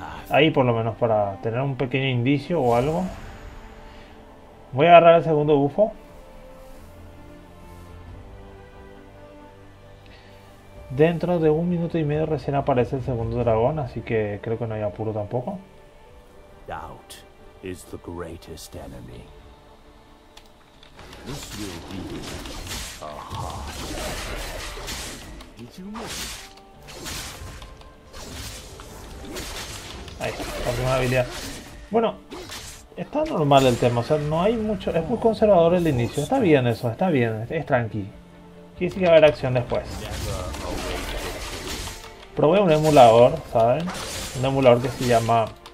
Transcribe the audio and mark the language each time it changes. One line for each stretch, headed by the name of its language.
Spanish: Ahí por lo menos para tener un pequeño indicio o algo. Voy a agarrar el segundo bufo. Dentro de un minuto y medio recién aparece el segundo dragón, así que creo que no hay apuro tampoco.
English: Doubt is the greatest enemy. This will be a hard fight. Did you miss?
Spanish: Ahí, la primera habilidad. Bueno, está normal el tema, o sea, no hay mucho. Es muy conservador el inicio. Está bien eso, está bien, es tranqui. Quiere decir que va a haber acción después. Probé un emulador, ¿saben? Un emulador que se llama.